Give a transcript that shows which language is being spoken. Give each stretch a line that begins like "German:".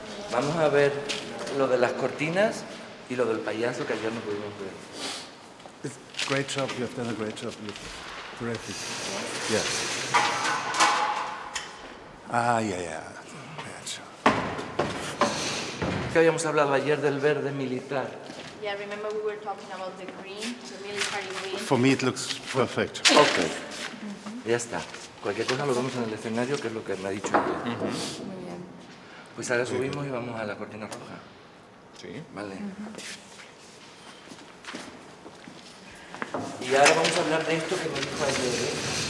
Spanish: Vamos a ver lo de las cortinas y lo del payaso que ayer no pudimos ver.
English: Great job, you have done a great job. Terrific. Yes. Ah, yeah, yeah. Great job.
Spanish: ¿Qué habíamos hablado ayer del verde militar?
English: Yeah, remember we were talking about the green, the military green. For me it looks perfect.
Spanish: Okay. Mm-hmm. Ya está. Cualquier cosa lo vemos en el escenario, que es lo que me ha dicho ella. Mm-hmm. Muy bien. Pues ahora subimos y vamos a la cortina roja. Sí. Vale. Mm-hmm. Y ahora vamos a hablar de esto que me dijo ayer.